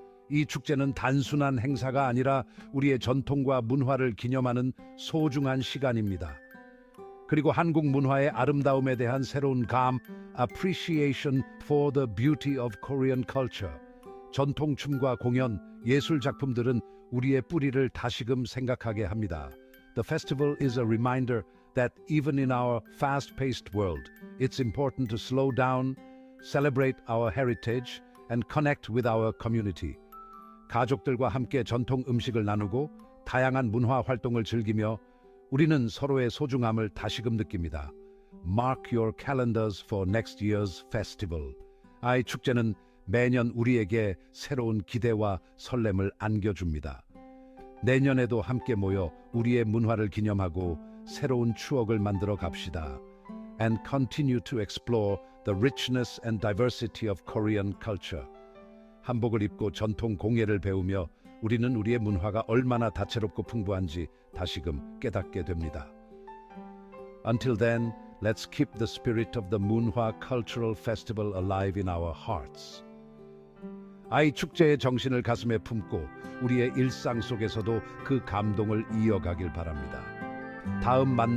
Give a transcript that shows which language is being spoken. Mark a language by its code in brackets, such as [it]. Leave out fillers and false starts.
[ko] 이 축제는 단순한 행사가 아니라 우리의 전통과 문화를 기념하는 소중한 시간입니다. 그리고 한국 문화의 아름다움에 대한 새로운 감, [en] Appreciation for the Beauty of Korean Culture. [ko] 전통춤과 공연, 예술 작품들은 우리의 뿌리를 다시금 생각하게 합니다. [en] The festival is a reminder that even in our fast-paced world, it's important to slow down, celebrate our heritage, and connect with our community. [ko] 가족들과 함께 전통 음식을 나누고 다양한 문화 활동을 즐기며 우리는 서로의 소중함을 다시금 느낍니다. [en] Mark your calendars for next year's festival. [ko] 아이 축제는 매년 우리에게 새로운 기대와 설렘을 안겨줍니다. 내년에도 함께 모여 우리의 문화를 기념하고 새로운 추억을 만들어 갑시다. [en] And continue to explore the richness and diversity of Korean culture. [ko] 한복을 입고 전통 공예를 배우며 우리는 우리의 문화가 얼마나 다채롭고 풍부한지 다시금 깨닫게 됩니다. [en] Until then, let's keep the spirit of the 문화 cultural festival alive in our hearts. [ko] 아이 축제의 정신을 가슴에 품고 우리의 일상 속에서도 그 감동을 이어가길 바랍니다. 다음 만나